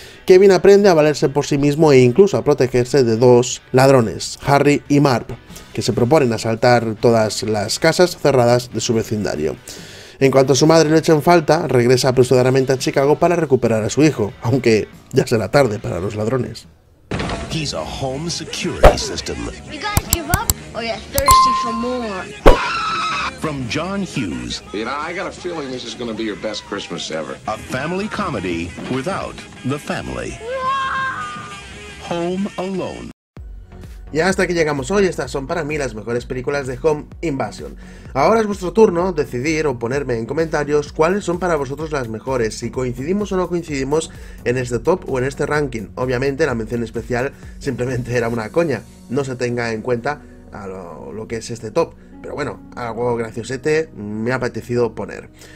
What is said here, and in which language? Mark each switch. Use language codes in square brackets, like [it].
[es] Kevin aprende a valerse por sí mismo e incluso a protegerse de dos ladrones, Harry y Marv, que se proponen asaltar todas las casas cerradas de su vecindario. En cuanto a su madre le echa en falta, regresa apresuradamente a Chicago para recuperar a su hijo, aunque ya será tarde para los ladrones. [en] He's a home security system. You guys give up or you're thirsty for more? From John Hughes. You know, I got a feeling this is going to be your best Christmas ever. A family comedy without the family. Home Alone. [es] Y hasta aquí llegamos hoy, estas son para mí las mejores películas de Home Invasion. Ahora es vuestro turno decidir o ponerme en comentarios cuáles son para vosotros las mejores, si coincidimos o no coincidimos en este top o en este ranking. Obviamente la mención especial simplemente era una coña, no se tenga en cuenta a lo que es este top, pero bueno, algo graciosete me ha apetecido poner.